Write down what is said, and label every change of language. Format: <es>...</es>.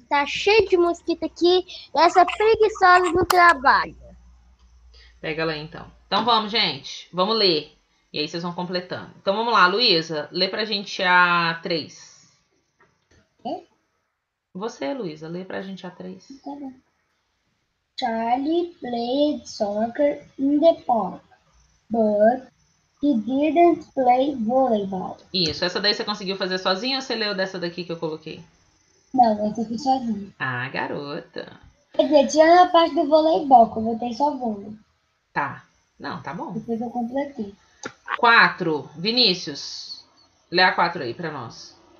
<pt>Tá cheio de mosquito aqui. Essa preguiçosa do trabalho. Pega lá então. Então vamos, gente. Vamos ler. E aí vocês vão completando. Então vamos lá, Luísa. Lê pra gente a 3. Você, Luísa, lê pra gente a 3. Tá bom.</pt> <en>Charlie played soccer in the park, but he didn't play volleyball.</en> <pt>Isso. Essa daí você conseguiu fazer sozinha ou você leu dessa daqui que eu coloquei? Não, essa aqui sozinha. Ah, garota. Quer dizer, tinha a parte do voleibol, que eu botei só vôlei. Tá. Não, tá bom. Depois eu completei. 4. Vinícius, lê a 4 aí pra nós.</pt>